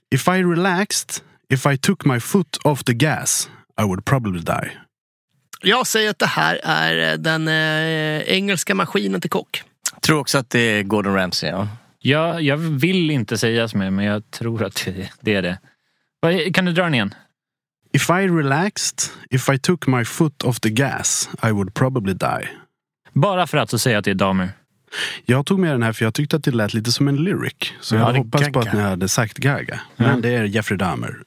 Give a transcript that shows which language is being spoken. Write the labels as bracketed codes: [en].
[en] If I relaxed, if I took my foot off the gas, I would probably die. [sv] Jag säger att det här är den engelska maskinen till kock. Jag tror också att det är Gordon Ramsay, ja. Ja, jag vill inte säga som är, men jag tror att det är det. Kan du dra den igen? [en] If I relaxed, if I took my foot off the gas, I would probably die. [sv] Bara för att så säga att det är Dahmer. Jag tog med den här för jag tyckte att det lät lite som en lyric. Så jag hoppas på att ni hade sagt gaga. Mm. Men det är Jeffrey Dahmer.